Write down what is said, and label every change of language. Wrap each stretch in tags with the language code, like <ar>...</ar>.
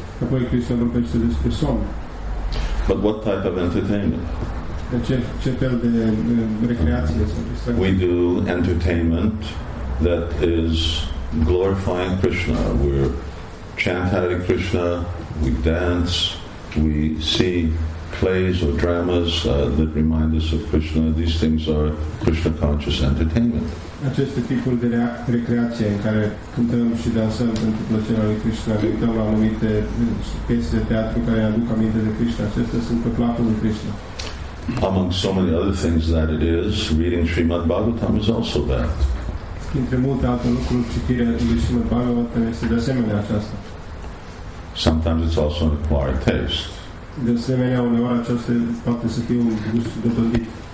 <ro>Apoi Krishna vorbește despre somn.</ro> <en>But what type of entertainment?</en> <ro>Ce fel de recreație sau distracție?</ro> <en>We do entertainment that is glorifying Krishna. We're chant Hare Krishna, we dance, we see plays or dramas that remind us of Krishna. These things are Krishna conscious entertainment.</en> <ro>Aceste tipuri de recreație în care cântăm și dansăm pentru plăcerea lui Krishna, uităm la anumite piese de teatru care aduc aminte de Krishna, acestea sunt pe placul lui Krishna.</ro> <en>Among so many other things that it is, reading Srimad Bhagavatam is also that.</en> <ro>Între multe alte lucruri, citirea lui Srimad Bhagavatam este de asemenea aceasta.</ro> <en>Sometimes it's also an acquired taste.</en> <ro>De asemenea, uneori aceasta poate să fie un gust dobândit.</ro>